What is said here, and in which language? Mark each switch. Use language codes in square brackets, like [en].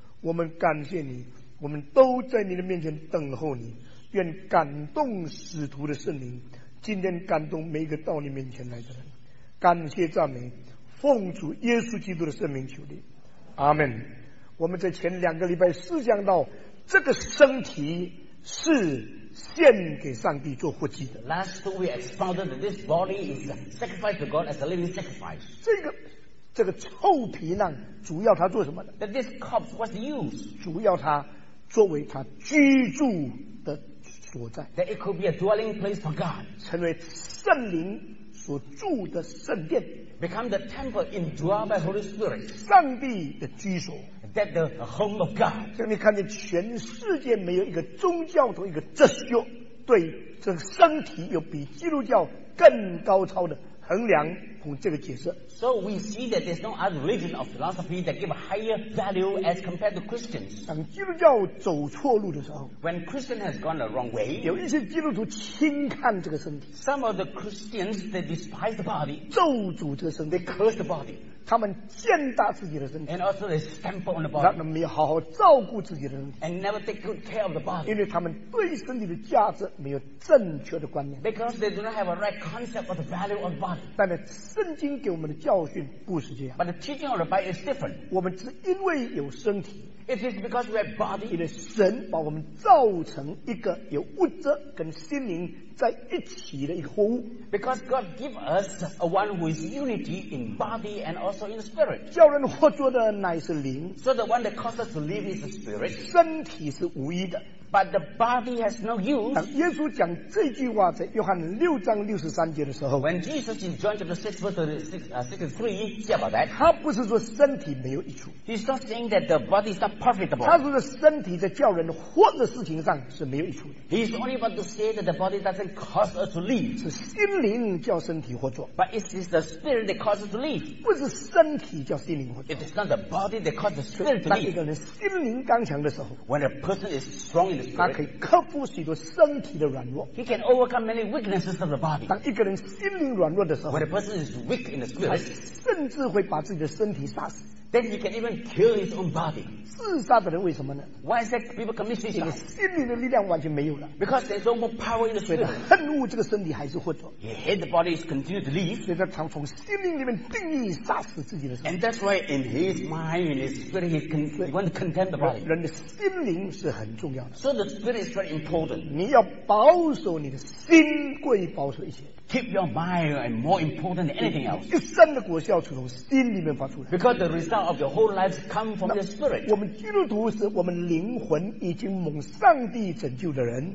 [zh] 我们感谢你，我们都在你的面前等候你，愿感动使徒的圣灵今天感动每一个到你面前来的人。感谢赞美，奉主耶稣基督的圣名求你，阿们。我们在前两个礼拜思想到这个身体是献给上帝做活祭的。 [en] Last we expounded that this body is sacrificed to God as a living sacrifice. [zh] 这个臭皮囊主要它做什么的 [en] ？That this corpse was used. [zh] 主要它作为它居住的所在。 [en] That it could be a dwelling place for God. [zh] 成为圣灵所住的圣殿。 [en] Become the temple indwelt by Holy Spirit. [zh] 上帝的居所。 [en] That the home of God. [zh] 所以你看见全世界没有一个宗教的一个哲学对这个身体有比基督教更高超的衡量和这个解释。 [en] So we see that there's no other religion or philosophy that give a higher value as compared to Christians. [zh] 当基督教走错路的时候 [en] ，When Christian has gone the wrong way， [zh] 有一些基督徒轻看这个身体。 [en] Some of the Christians they despise the body， [zh] 咒诅这个身体 [en] ，they curse the body。 [zh] 他们践踏自己的身体 [en] ，and also they stamp on the body， [zh] 他们没有好好照顾自己的身体 [en] ，and never take good care of the body， [zh] 因为他们对身体的价值没有正确的观念 [en] ，because they do not have a right concept of the value of the body。 [zh] 但是圣经给我们的教训不是这样 [en] ，but the teaching of the body is different。 [zh] 我们只因为有身体 [en] ，it is because we have body， [zh] 因为神把我们造成一个有物质跟心灵在一起的一个活物 [en] ，because God give us a one who is unity in body and also in spirit。 [zh] 叫人活着的乃是灵 [en] ，so the one that causes us to live is the spirit。 [zh] 身体是无益的 [en] ，but the body has no use。 [zh] 耶稣讲这句话在约翰六章六十三节的时候 [en] ，when Jesus in John chapter six verse sixty-three said about that， [zh] 他不是说身体没有益处 [en] ，he's not saying that the body is not profitable。 [zh] 他说身体在叫人活的事情上是没有益处的 [en] ，he's only about to say that the body doesn't。 Cause us to live [zh] 是心灵叫身体活着 [en] ，But it is the spirit that causes us to live， [zh] 不是身体叫心灵活着。 [en] It is not the body that causes the spirit to live。 [zh] 当一个人心灵刚强的时候 [en] ，When a person is strong in the spirit， [zh] 他可以克服许多身体的软弱。 [en] He can overcome many weaknesses of the body。 [zh] 当一个人心灵软弱的时候 [en] ，When a person is weak in the spirit， [zh] 甚至会把自己的身体杀死。 [en] Then he can even kill his own body. [zh] 自杀的人为什么呢 [en] ？Why is that people commit suicide? [zh] 因为心灵的力量完全没有了。 [en] Because there's no more power in the spirit. [zh] 恨恶这个身体还是活着。 [en] He hates the body is continued to live. [zh] 所以他常从心灵里面定义杀死自己的身体。 [en] And that's why in his mind, in his spirit, he wants to condemn the body. [zh] 人的心灵是很重要的。 [en] So the spirit is very important. [zh] 你要保守你的心，过于保守一些。 [en] Keep your mind and more important than anything else. [zh] 一生的果效是从心里面发出来。 [en] Because the result of your whole life comes from the spirit. [zh] 我们基督徒是我们灵魂已经蒙上帝拯救的人。